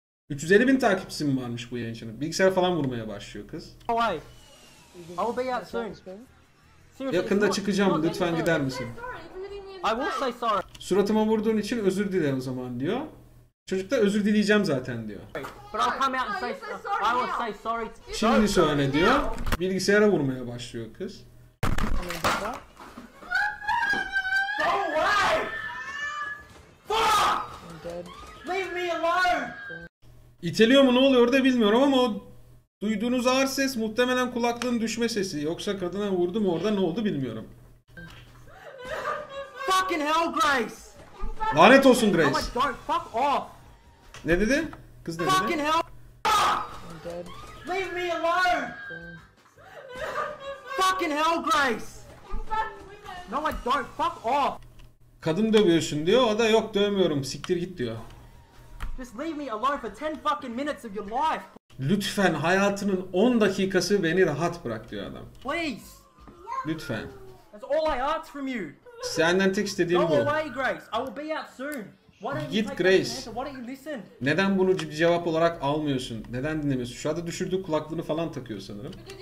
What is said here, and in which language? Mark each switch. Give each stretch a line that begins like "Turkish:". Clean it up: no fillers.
Turkish: 350 bin takipçisi mi varmış bu yayıncının? Bilgisayara falan vurmaya başlıyor kız.
English: I'll be out soon.
Turkish: Yakında çıkacağım. Lütfen gider misin?
English: I will say sorry.
Turkish: Suratıma vurduğun için özür dilerim o zaman diyor. Çocuk da özür dileyeceğim zaten diyor.
English: But I'll come out and say sorry. I will say sorry.
Turkish: Şimdi söyle diyor. Bilgisayara vurmaya başlıyor kız.
English: Go away! Fuck! Leave me alone!
Turkish: İteliyor mu ne oluyor orada bilmiyorum ama o duyduğunuz ağır ses muhtemelen kulaklığın düşme sesi. Yoksa kadına vurdu mu orada ne oldu bilmiyorum.
English: Fucking hell Grace.
Turkish: Lanet olsun Grace.
English: Oh my god, fuck off.
Turkish: Ne dedi? Kız ne dedi?
English: Fucking hell. Leave me alone. Fucking hell Grace. No I don't, fuck off.
Turkish: Kadın dövüyorsun diyor. O da yok dövmüyorum. Siktir git diyor.
English: Just leave me alone for 10 fucking minutes of your life.
Turkish: Lütfen hayatının 10 dakikası beni rahat bırak diyor adam.
English: Please.
Turkish: Lütfen.
English: That's all I ask from you.
Turkish: Senden tek istediğim bu.
English: Go away, Grace. I will be out soon.
Turkish: Git Grace. Neden bunu cevap olarak almıyorsun? Neden dinlemiyorsun? Şu anda düşürdüğü kulaklığını falan takıyor sanırım.